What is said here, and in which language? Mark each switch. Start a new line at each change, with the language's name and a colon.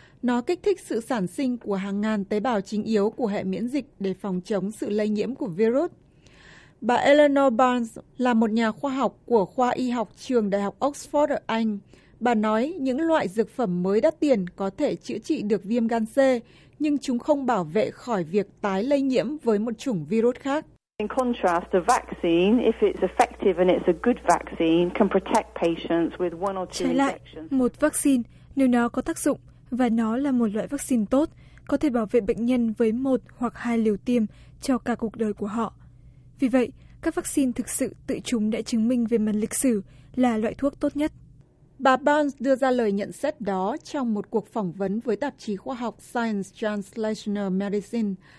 Vietnamese: Nó kích thích sự sản sinh của hàng ngàn tế bào chính yếu của hệ miễn dịch để phòng chống sự lây nhiễm của virus. Bà Eleanor Barnes là một nhà khoa học của khoa y học trường Đại học Oxford ở Anh. Bà nói những loại dược phẩm mới đắt tiền có thể chữa trị được viêm gan C, nhưng chúng không bảo vệ khỏi việc tái lây nhiễm với một chủng virus khác.
English: In contrast, a vaccine, if it's effective and it's a good vaccine, can protect patients with one or two infections.
Vietnamese: Trái lại, một vaccine, nếu nó có tác dụng và nó là một loại vaccine tốt, có thể bảo vệ bệnh nhân với một hoặc hai liều tiêm cho cả cuộc đời của họ. Vì vậy, các vaccine thực sự tự chúng đã chứng minh về mặt lịch sử là loại thuốc tốt nhất. Bà Barnes đưa ra lời nhận xét đó trong một cuộc phỏng vấn với tạp chí khoa học Science Translational Medicine.